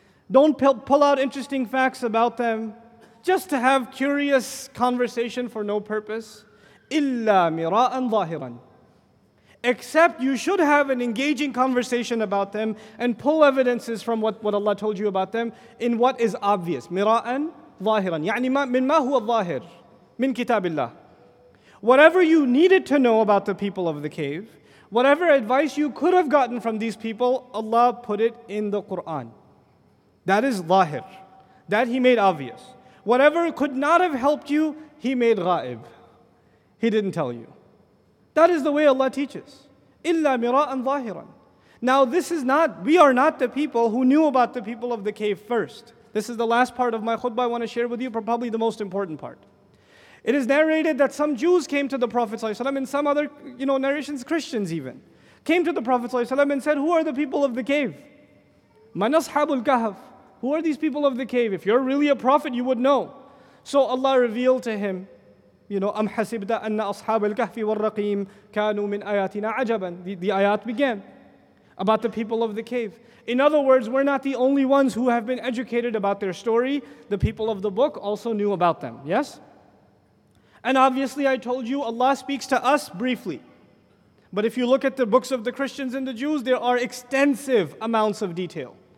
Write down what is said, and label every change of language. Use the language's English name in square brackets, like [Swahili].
[English] Don't pull out interesting facts about them just to have curious conversation for no purpose. [Arabic] Illa mira'an zahiran. [English] Except you should have an engaging conversation about them and pull evidences from what Allah told you about them in what is obvious. [Arabic] Mira'an zahiran. يعني من ما هو الظاهر من كتاب الله. [English] Whatever you needed to know about the people of the cave, whatever advice you could have gotten from these people, Allah put it in the Quran. That is lahir. That He made obvious. Whatever could not have helped you, He made ghaib. He didn't tell you. That is the way Allah teaches. [Arabic] إِلَّا مِرَاءً ظَاهِرًا. [English] Now this is not, we are not the people who knew about the people of the cave first. This is the last part of my khutbah I want to share with you, probably the most important part. It is narrated that some Jews came to the Prophet ﷺ, and some other, you know, narrations, Christians even, came to the Prophet ﷺ and said, who are the people of the cave? [Arabic] مَنْ أَصْحَابُ الْكَهَفِ. [English] Who are these people of the cave? If you're really a prophet, you would know. So Allah revealed to him, you know, [Arabic] أَمْ حَسِبْتَ أَنَّ أَصْحَابِ الْكَهْفِ وَالرَّقِيمِ كَانُوا مِنْ آيَاتِنَا عَجَبًا. [English] The ayat began about the people of the cave. In other words, we're not the only ones who have been educated about their story. The people of the book also knew about them. Yes? And obviously I told you, Allah speaks to us briefly. But if you look at the books of the Christians and the Jews, there are extensive amounts of detail.